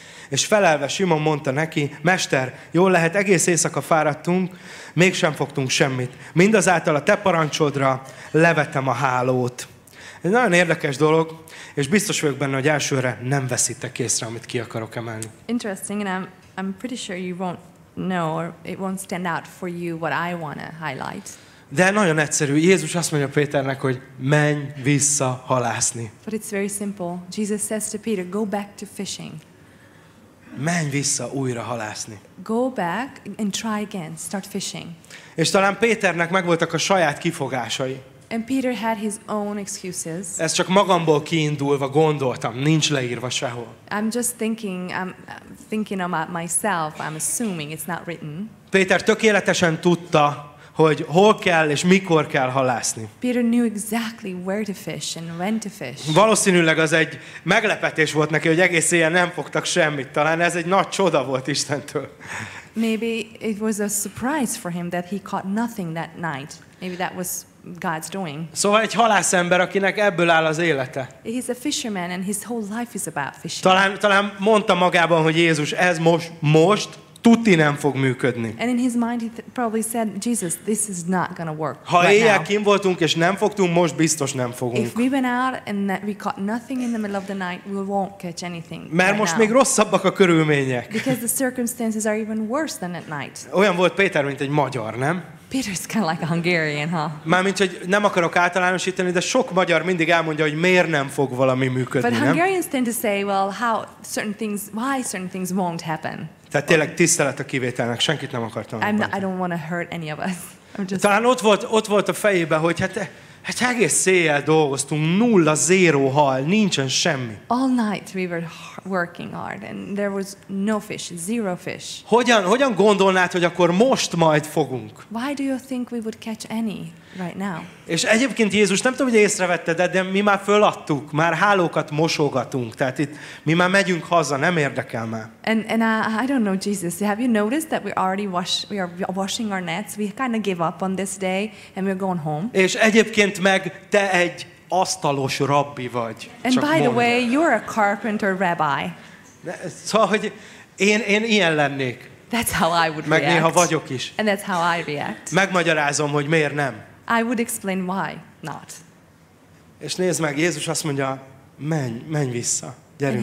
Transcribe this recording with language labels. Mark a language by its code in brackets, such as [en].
[hu] És felelve Simon mondta neki, Mester, jól lehet, egész éjszaka fáradtunk, mégsem fogtunk semmit. Mindazáltal a te parancsodra levetem a hálót. Ez nagyon érdekes dolog, és biztos vagyok benne, hogy elsőre nem veszitek észre, amit ki akarok emelni. [en] Interesting, and I'm pretty sure you won't know, or it won't stand out for you what I want to highlight. [hu] De nagyon egyszerű. Jézus azt mondja Péternek, hogy menj vissza halászni. [en] But it's very simple. Jesus says to Peter, go back to fishing. [hu] Menj vissza újra halászni. [en] Go back and try again, start fishing. [hu] És talán Péternek megvoltak a saját kifogásai. [en] And Peter had his own excuses. [hu] Ez csak magamból kiindulva gondoltam, nincs leírva sehol. [en] I'm just thinking, I'm thinking about myself, I'm assuming it's not written. [hu] Péter tökéletesen tudta, hogy hol kell és mikor kell halászni. [en] Peter knew exactly where to fish and when to fish. [hu] Valószínűleg az egy meglepetés volt neki, hogy egész éjjel nem fogtak semmit. Talán ez egy nagy csoda volt Istentől. [en] Maybe it was a surprise for him that he caught nothing that night. Maybe that was God's doing. [hu] Szóval egy halászember, akinek ebből áll az élete. [en] He's a fisherman and his whole life is about fishing. [hu] Talán mondta magában, hogy Jézus, ez most tutti nem fog működni. [en] And in his mind he probably said, Jesus, this is not gonna work. [hu] Ha éjjel kint voltunk és nem fogtunk, most biztos nem fogunk. [en] If we went out and that we caught nothing in the middle of the night, we won't catch anything. [hu] Mert [en] right [hu] most [en] now. [hu] Még rosszabbak a körülmények. [en] Because the circumstances are even worse than at night. [hu] Olyan volt Péter, mint egy magyar, nem? [en] Peter's kind of like a Hungarian, huh? [hu] Mármint, hogy nem akarok általánosítani, de sok magyar mindig elmondja, hogy miért nem fog valami működni, [en] but [hu] nem? [en] But Hungarians tend to say, well, how certain things, why certain things won't happen. [hu] Tehát tényleg tisztelet a kivételnek, senkit nem akartam. [en] I don't want to hurt any of us. [hu] Talán ott volt a fejében, hogy hát egész éjjel dolgoztunk, nulla, zéro hal, nincsen semmi. [en] All night we were working hard and there was no fish, zero fish. [hu] Hogyan gondolnád, hogy akkor most majd fogunk? [en] Why do you think we would catch any right now? [hu] És egyébként Jézus, nem tudom, hogy észrevetted, de mi már föladtuk, már hálókat mosogatunk, tehát itt mi már megyünk haza, nem érdekel már. [en] And I don't know, Jesus, have you noticed that we are washing our nets? We kind of give up on this day and we're going home. [hu] És egyébként meg te egy asztalos rabbi vagy. [en] And by [hu] mondd. [en] The way, you're a carpenter rabbi. [hu] Szóval, hogy én ilyen lennék. [en] That's how I would [hu] meg [en] react. [hu] Meg néha vagyok is. [en] And that's how I react. [hu] Megmagyarázom, hogy miért nem. [en] I would explain why not. [hu] És nézd meg, Jézus azt mondja, menj vissza, gyerünk.